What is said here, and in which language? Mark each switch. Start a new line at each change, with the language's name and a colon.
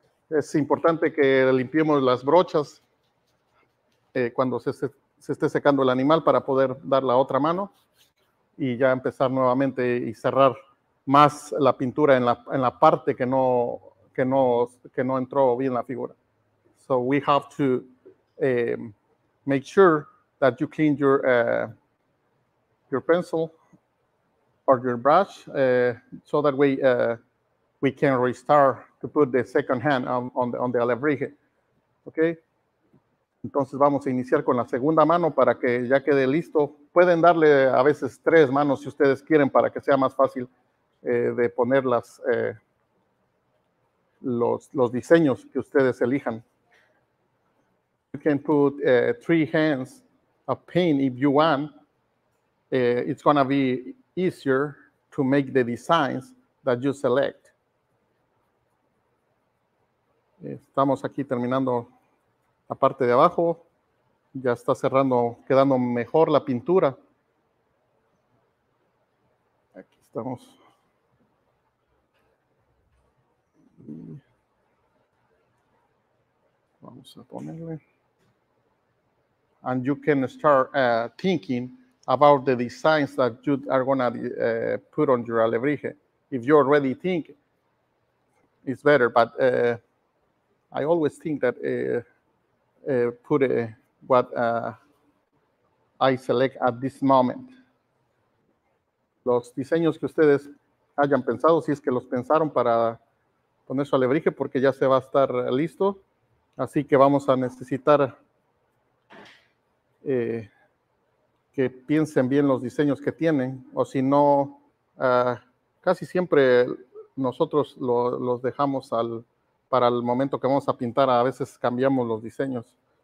Spanish: Es importante que limpiemos las brochas cuando se esté secando el animal para poder dar la otra mano. Y ya empezar nuevamente y cerrar más la pintura en la parte que no, que no entró bien la figura.
English: So we have to make sure that you clean your pencil or your brush, so that way we can restart to put the second hand on the alebrije. Okay?
Spanish: Entonces vamos a iniciar con la segunda mano para que ya quede listo. Pueden darle a veces tres manos si ustedes quieren para que sea más fácil de poner los diseños que ustedes elijan.
English: You can put three hands of paint if you want. It's going to be easier to make the designs that you select.
Spanish: Estamos aquí terminando la parte de abajo. Ya está cerrando, quedando mejor la pintura. Aquí estamos. Vamos a ponerle.
English: And you can start thinking about the designs that you are going to put on your alebrije. If you already think, it's better. But I always think that put what I select at this moment.
Spanish: Los diseños que ustedes hayan pensado, si es que los pensaron para poner su alebrije, porque ya se va a estar listo. Así que vamos a necesitar que piensen bien los diseños que tienen, o si no, casi siempre nosotros los dejamos para el momento que vamos a pintar, a veces cambiamos los diseños.